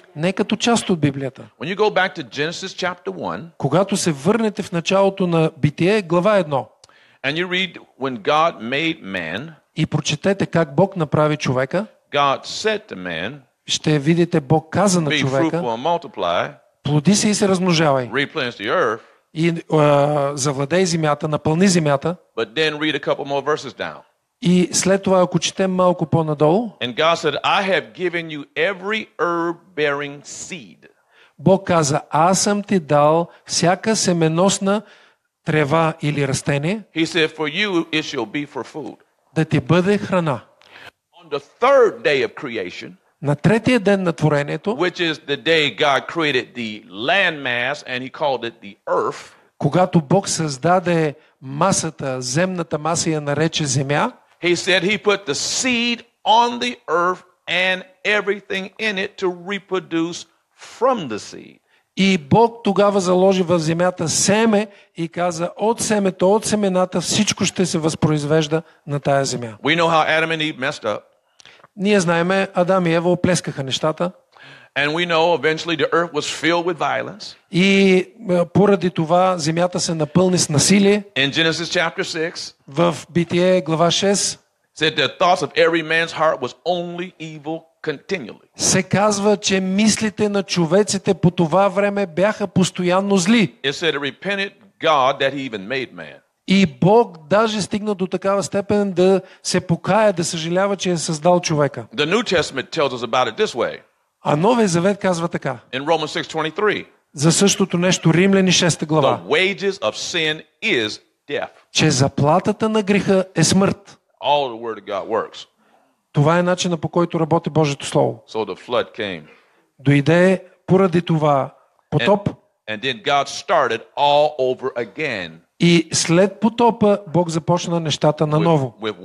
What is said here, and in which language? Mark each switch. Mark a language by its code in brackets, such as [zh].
[bg] Не като част от Библията. [en] When you go back to Genesis chapter 1, [bg] когато се върнете в началото на Битие, глава 1. [en] And you read when God made man, [bg] и прочетете как Бог направи човека. [en] God said to man, [bg] ще видите Бог каза на човека. [en] Be fruitful and multiply. [bg] Плоди се и се размножавай. [en] Replenish the earth. [bg] И завладей земята, напълни земята. [en] But then read a couple more verses down. [bg] И след това, ако четем малко по-надолу, [en] and God said, I have given you every herb-bearing seed. [bg] Бог каза, аз съм ти дал всяка семеносна трева или растение. [en] He said, for you it shall be for food. [bg] Да ти бъде храна. [en] On the third day of creation, [bg] на третия ден на творението, [en] which is the day God created the landmass and he called it the earth, [bg] когато Бог създаде масата, земната маса, я нарече земя, [en] he said he put the seed on the earth and everything in it to reproduce from the seed. [bg] И Бог тогава заложи в земята семе и каза, от семето, от семената всичко ще се възпроизвежда на тая земя. [en] We know how Adam and Eve messed up. [bg] Ние знаеме, Адам и Ева оплескаха нещата. [en] And we know eventually the earth was filled with violence. [bg] И поради това земята се напълни с насилие. [en] In Genesis chapter 6, [bg] в Битие глава 6, [en] said the thoughts of every man's heart was only evil continually. [bg] Се казва, че мислите на човеците по това време бяха постоянно зли. [en] It said it repented God that he even made man. [bg] И Бог даже стигна до такава степен да се покая, да съжалява, че е създал човека. [en] The New Testament tells us about it this way. [bg] А Новия Завет казва така. [en] In Romans 6:23. [bg] За същото нещо, Римляни 6 глава. [en] The wages of sin is death. [bg] Че заплатата на греха е смърт. [en] All the word of God works. [bg] Това е начинът, по който работи Божието слово. [en] So the flood came. [bg] Дойде поради това потоп. [en] And then God started all over again. [bg] И след потопа Бог започна нещата наново.